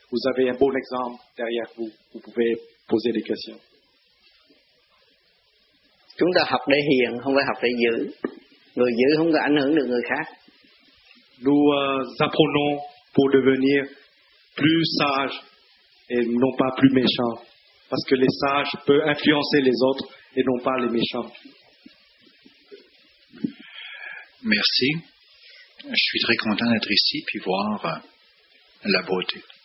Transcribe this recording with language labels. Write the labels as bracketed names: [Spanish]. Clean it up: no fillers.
[French] Vous avez un bon exemple derrière vous. Vous pouvez poser des questions. [Vietnamese] Chúng ta học để hiền, không phải học để giữ. Người giữ không có ảnh hưởng được người khác. [French] Nous apprenons pour devenir plus sages et non pas plus méchants, parce que les sages peuvent influencer les autres et non pas les méchants. Merci. Je suis très content d'être ici puis voir la beauté.